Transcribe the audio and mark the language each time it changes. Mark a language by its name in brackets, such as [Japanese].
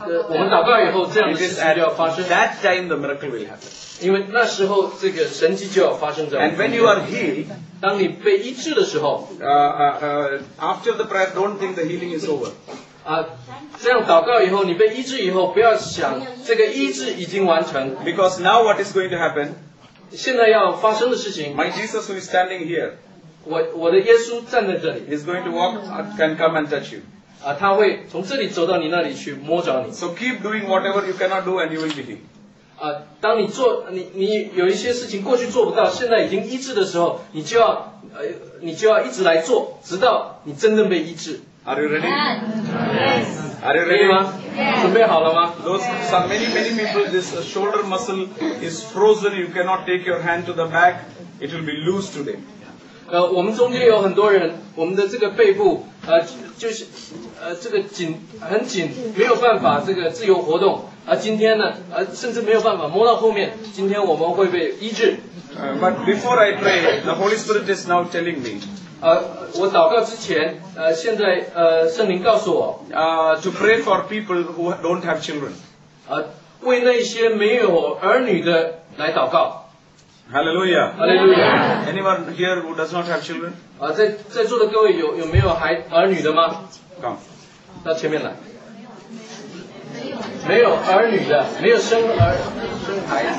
[Chinese] 我们祷告以后，这样的事情就要发生。 [English] That time the miracle will happen. [Chinese] 因为那时候这个神迹就要发生在。 [English] And when you are healed, [Chinese] 当你被医治的时候。 [English] After the prayer, don't think the healing is over. [Chinese] 这样祷告以后，你被医治以后，不要想这个医治已经完成。 [English] Because now what is going to happen? [Chinese] 现在要发生的事情。 [English] My Jesus who is standing here. [Chinese] 我的耶稣站在这里。 [English] Is going to walk, can come and touch you. [Chinese] 他会从这里走到你那里去摸着你。 [English] So keep doing whatever you cannot do and you will be healed. [Chinese] 当你做你有一些事情过去做不到，现在已经医治的时候，你就要你就要一直来做，直到你真正被医治。 [English] Are you ready? Yes. Are you ready? Yes. [Chinese] 准备好了吗？ [English] Those some many people, this shoulder muscle is frozen. You cannot take your hand to the back. It will be loose today. [Chinese] 我们中间有很多人，我们的这个背部，就是这个紧很紧，没有办法这个自由活动。今天呢，甚至没有办法摸到后面。今天我们会被医治。 [English] But before I pray, the Holy Spirit is now telling me. [Chinese] 我祷告之前，现在圣灵告诉我 [English] ，to pray for people who don't have children， [Chinese] 为那些没有儿女的来祷告。 [English] Hallelujah。 Hallelujah。 Anyone here who does not have children？ [Chinese] 在座的各位有没有孩儿女的吗 [English] ？Come， [Chinese] 到前面来。没有儿女的，没有生儿生孩子，